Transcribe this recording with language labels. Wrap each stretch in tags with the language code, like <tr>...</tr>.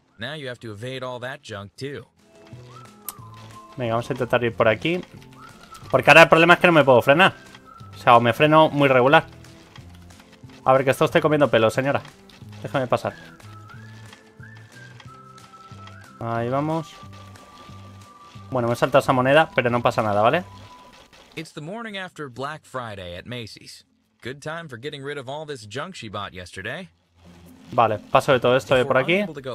<en>Now you have to evade all that junk too.</en> <es>Venga, vamos a intentar ir por aquí. Porque ahora el problema es que no me puedo frenar. O sea, o me freno muy regular. A ver, que esto esté comiendo pelo, señora. Déjame pasar. Ahí vamos. Bueno, me he saltado esa moneda, pero no pasa nada, ¿vale?</es> <en>It's the morning after Black Friday at Macy's. Good time for getting rid of all this junk she bought yesterday.</en> <es>Vale, paso de todo esto de por aquí.</es>